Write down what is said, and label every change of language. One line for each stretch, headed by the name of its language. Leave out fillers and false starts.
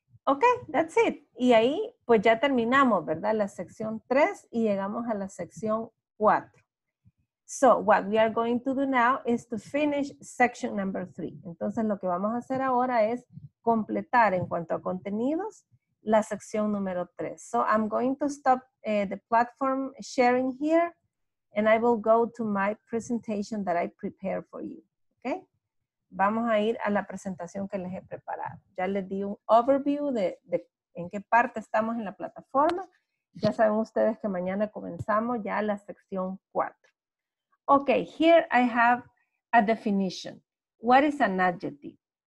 Spanish: Ok,
English: that's it.
Spanish: Y ahí pues ya terminamos, ¿verdad? La sección 3 y llegamos a la sección 4.
English: So what we are going to do now is to finish section number 3.
Spanish: Entonces lo que vamos a hacer ahora es completar en cuanto a contenidos la sección número 3.
English: So I'm going to stop the platform sharing here and I will go to my presentation that I prepared for you. Okay?
Spanish: Vamos a ir a la presentación que les he preparado. Ya les di un overview de en qué parte estamos en la plataforma. Ya saben ustedes que mañana comenzamos ya la sección 4.
English: Okay, here I have a definition. What is an adjective?